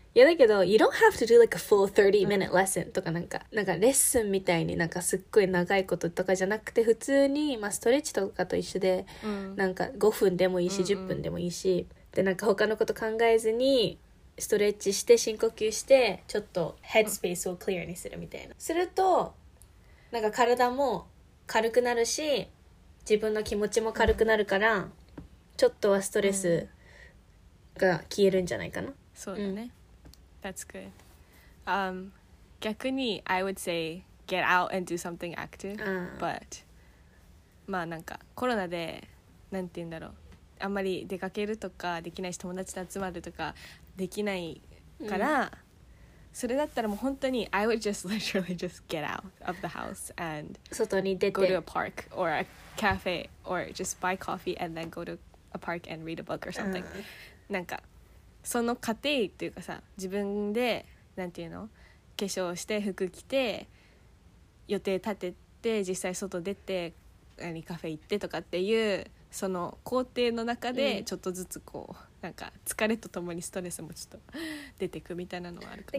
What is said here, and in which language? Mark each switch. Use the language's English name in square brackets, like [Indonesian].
[Japanese] いやだけど、 [English] you don't have to do like a full 30-minute lesson [Japanese] とかなんか、なんかレッスンみたいになんかすっごい長いこととかじゃなくて、普通に、まあストレッチとかと一緒で、なんか5分でもいいし、10分でもいいし、でなんか他のこと考えずに、ストレッチして、深呼吸して、ちょっとヘッドスペースをクリアにするみたいな。すると、なんか体も軽くなるし、自分の気持ちも軽くなるから、ちょっとはストレスが消えるんじゃないかな。そうだね。 [English] That's good. [Japanese] 逆に [English] I would say get out and do something active. [Japanese] But まあなんかコロナでなんて言うんだろうあんまり出かけるとかできないし友達と集まるとかできないから、それだったらもう本当に [English] I would just literally just get out of the house and [Japanese] 外に出て [English] go to a park or a cafe or just buy coffee and then go to a park and read a book or something. [Japanese] なんかその過程っていうかさ自分でなんていうの化粧して服着て予定立てて実際外出て何カフェ行ってとかっていうその工程の中でちょっとずつこう、うん、なんか疲れとともにストレスもちょっと出てくみたいなのはあるかな